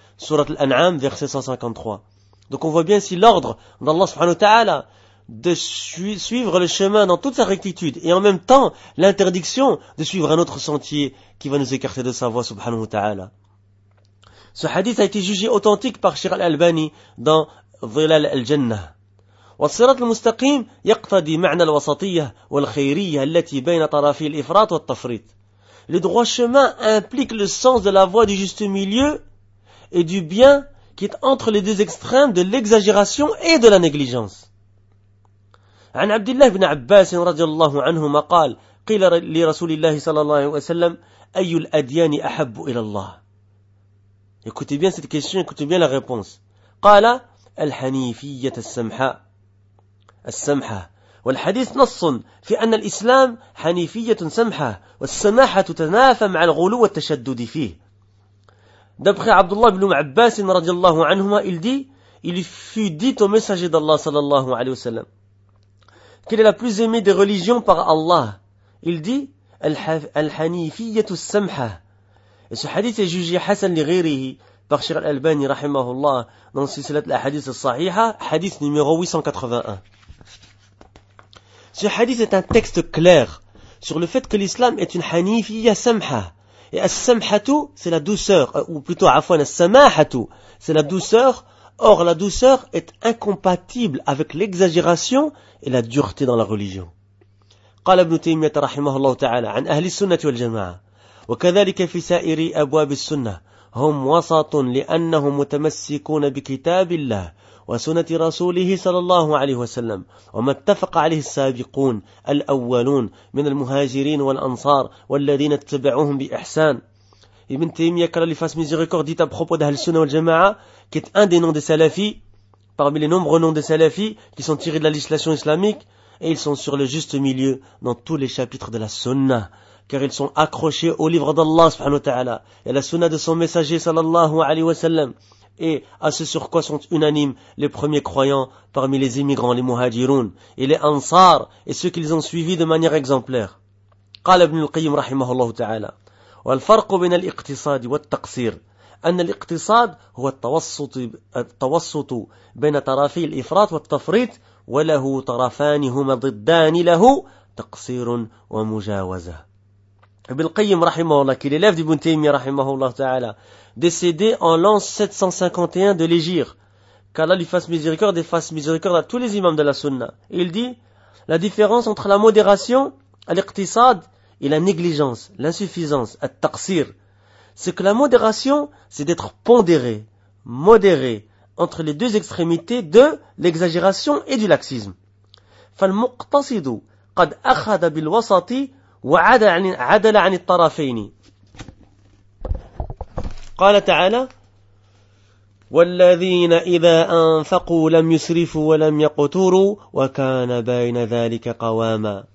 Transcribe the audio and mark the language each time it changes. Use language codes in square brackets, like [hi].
[fr] Surat Al-An'am, verset 153. Donc on voit bien si l'ordre d'Allah subhanahu wa ta'ala de suivre le chemin dans toute sa rectitude et en même temps l'interdiction de suivre un autre sentier qui va nous écarter de sa voie subhanahu wa ta'ala. Ce hadith a été jugé authentique par Sheikh Al-Albani dans Dhilal Al-Jannah. [ar] والصراط المستقيم يقتضي معنى الوسطية والخيرية التي بين طرفي الإفراط والتفريط. [fr] Le droit chemin implique le sens de la voie du juste milieu et du bien qui est entre les deux extrêmes de l'exagération et de la négligence. [ar] عن عبد الله بن عباس رضي الله عنهما قال قيل لرسول الله صلى الله عليه وسلم أي الأديان أحب إلى الله. [fr] Écoutez bien cette question, écoutez bien la réponse. [ar] قال الحنيفية السمحاء. السمحة. والحديث نص في أن الإسلام حنيفية سمحة والسماحة تتنافى مع الغلو والتشدد فيه. [fr] D'après Abdullah ibn Abbas radiyallahu anhuma, il dit, il fut dit au messager d'Allah sallallahu alayhi wa sallam, quelle est la plus aimée des religions par Allah? Il dit, al-hanifiyyatus samha. Et ce hadith est jugé hasan li ghayrihi par Sheikh al-Albani rahimahullah dans Silsilat al-Hadith al-Sahiha, hadith numéro 881. Ce hadith est un texte clair sur le fait que l'islam est une hanifiyya samha. Et as-samhatu, c'est la douceur, ou plutôt afwan as-samahatu, c'est la douceur. Or, la douceur est incompatible avec l'exagération et la dureté dans la religion. [ar] قال ابن تيمية رحمه الله تعالى عن أهل السنة والجماعة وكذلك في سائر أبواب السنة هم وسط لأنهم متمسكون بكتاب الله وسنة رسوله صلى الله عليه وسلم وما اتفق عليه السابقون الأولون من المهاجرين والأنصار والذين اتبعوهم بإحسان. [fr] Ibn Taymiyyah Kalal Ifas Miséricorde dit à propos d'Ahl Sunnah wal Jama'a, qui est un des noms des Salafis, parmi les nombreux noms des Salafis qui sont tirés de la législation islamique, et ils sont sur le juste milieu dans tous les chapitres de la Sunnah, car ils sont accrochés au livre d'Allah subhanahu wa ta'ala, et à la Sunnah de son messager sallallahu alayhi wa sallam, et à ce sur quoi sont unanimes les premiers croyants parmi les immigrants, les muhajiroun, et les ansar, et ceux qu'ils ont suivis de manière exemplaire. [ar] Qal Ibn al-Qayyim rahimahullah ta'ala. والفرق بين الاقتصاد والتقصير أن الاقتصاد هو التوسط بين طرفي الإفراط والتفريط وله طرفان هما ضدان له تقصير ومجاوزة. [fr] Ibn Qayyim رحمه الله qui est l'élève d'Ibn Taymiyyah رحمه الله تعالى décédé en l'an 751 de l'Hégire. Qu'Allah lui fasse miséricorde et fasse miséricorde à tous les imams de la Sunna. Il dit la différence entre la modération à l'iqtisad et la négligence, l'insuffisance, le taqsir, c'est que la modération, c'est d'être pondéré, modéré, entre les deux extrémités de l'exagération et du laxisme. [ar] فالمقتصد قد أخذ بالوسط وعدل عن الطرفين. قال تعالى والذين إذا أنفقوا لم يسرفوا ولم يقتروا وكان بين ذلك قواما.